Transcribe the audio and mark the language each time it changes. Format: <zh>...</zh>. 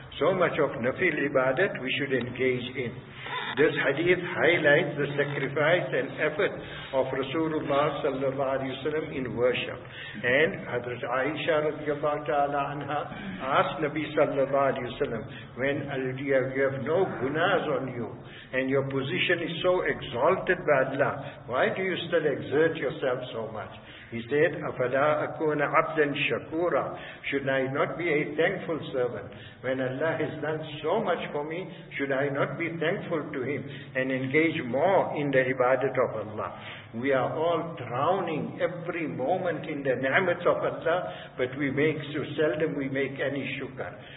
<en>So much of nafil ibadat we should engage in. This hadith highlights the sacrifice and effort of Rasulullah sallallahu alayhi wa sallam in worship. And Hazrat Aisha radiallahu ta'ala anha asked Nabi sallallahu alayhi wa sallam, when you have no gunas on you and your position is so exalted by Allah, why do you still exert yourself so much? He said,</en> <ar>أَفَلَا أَكُونَ عَبْدًا شَكُورًا.</ar> <en>Should I not be a thankful servant? When Allah has done so much for me, should I not be thankful to Him and engage more in the ibadat of Allah? We are all drowning every moment in the ni'mat of Allah, but so seldom we make any shukr.</en>